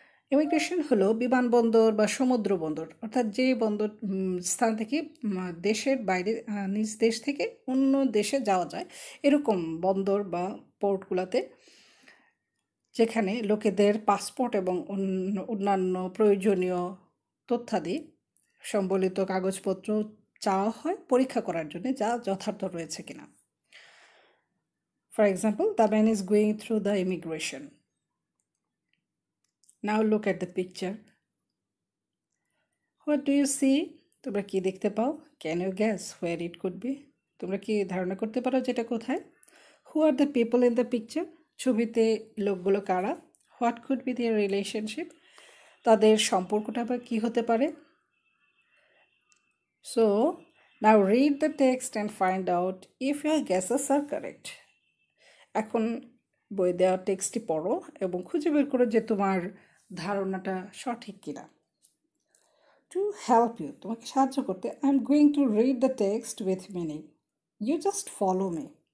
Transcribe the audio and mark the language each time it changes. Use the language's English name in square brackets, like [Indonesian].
[Bangla] Immigration holo biman bondor ba somudro bondor orthat je bondor sthan theke desher baire nij desh theke onno deshe jao jay erokom bondor ba port gulate jekhane lokeder passport ebong onnanno proyojonio totthadi sombolito kagojpotro চাওয়া হয় পরীক্ষা করার জন্য যা যথার্থ রয়েছে কিনা. [English] For example, the man is going through the immigration. Now look at the picture. What do you see? [Bangla] তোমরা কী দেখতে পাও? [English] Can you guess where it could be? [Bangla] তোমরা কি ধারণা করতে পারো যেটা কোথায়? [English] Who are the people in the picture? [Bangla] ছবিতে লোকগুলো কারা? [English] What could be their relationship? [Bangla] তাদের সম্পর্কটা বা কী হতে পারে? [English] So, now read the text and find out if your guesses are correct. [Bangla] এখন বই দেওয়ার টেক্সটটি পড়ো এবং খুঁজে বের করো যে তোমার ধারণাটা সঠিক কিনা. [English] to help you, [Bangla] তোমাকে সাহায্য করতে, [English] I am going to read the text with mini, you just follow me.